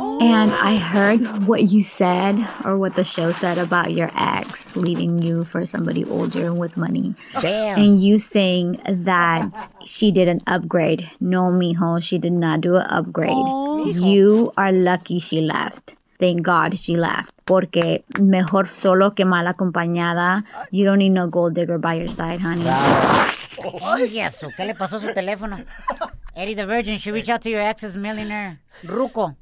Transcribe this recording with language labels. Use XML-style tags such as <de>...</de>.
<en>And I heard what you said, or what the show said, about your ex leaving you for somebody older with money. Damn. And you saying that she did an upgrade. No, mijo, she did not do an upgrade. You are lucky she left. Thank God she left.</en> <es>Porque mejor solo que mal acompañada.</es> <en>You don't need no gold digger by your side, honey.</en> <es>Oye, eso, ¿qué le pasó a su teléfono?</es> <en>Eddie the Virgin, should reach out to your ex's millionaire, Ruco.</en>